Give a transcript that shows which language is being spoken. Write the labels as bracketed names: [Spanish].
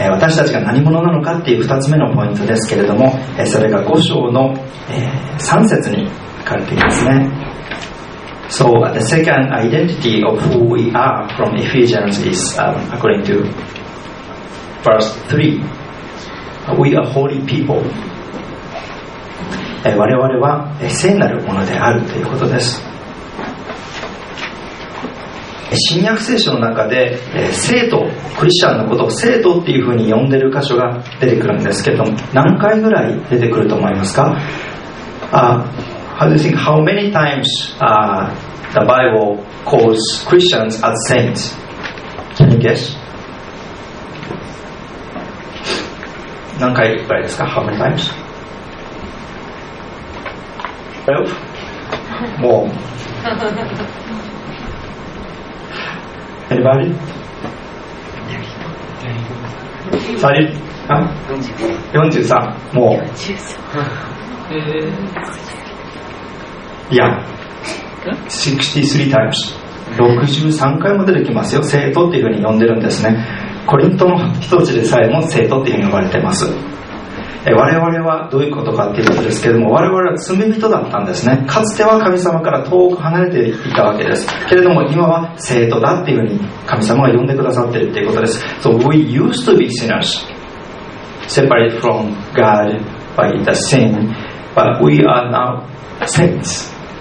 [Japanese] 私たちが何者なのかっていう2つ目のポイントですけれども、それが5章の3節に書かれていますね。 [English] So the second identity of who we are from Ephesians is according to verse 3. We are holy people. [Japanese] 我々は聖なるものであるということです。新約聖書の中で聖徒、クリスチャンのことを聖徒っていうふうに呼んでる箇所が出てくるんですけども、何回ぐらい出てくると思いますか？ [English] How do you think how many times the Bible calls Christians as saints? Can you guess? [Japanese] 何回ぐらいですか？ [English] How many times? 12? More? Anybody? 43? More? Yeah. 63 times. [Japanese] 63回も出てきますよ。聖徒っていうふうに呼んでるんですね。コリントの人たちでさえも聖徒っていうふうに呼ばれてます。我々はどういうことかっていうことですけれども、我々は罪人だったんですね。かつては神様から遠く離れていたわけですけれども、今は聖徒だっていうふうに神様が呼んでくださっているということです。 [English] So we used to be sinners separate from God by the sin, but we are now saints.